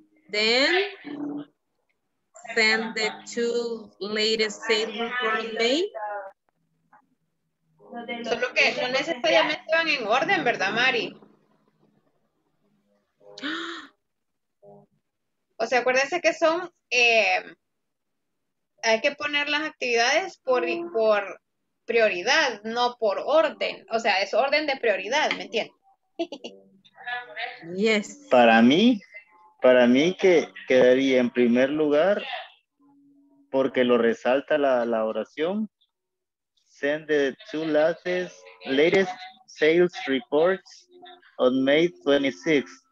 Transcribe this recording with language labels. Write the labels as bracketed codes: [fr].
[en] Then send the two latest sales report in May. [es] Solo que no necesariamente van en orden, ¿verdad, Mari? O sea, acuérdense que son hay que poner las actividades por prioridad, no por orden. O sea, es orden de prioridad, ¿me entiendes? [en] Yes. [es] Para mí que quedaría en primer lugar, porque lo resalta la oración. [en] Send the two latest sales reports on May 26th.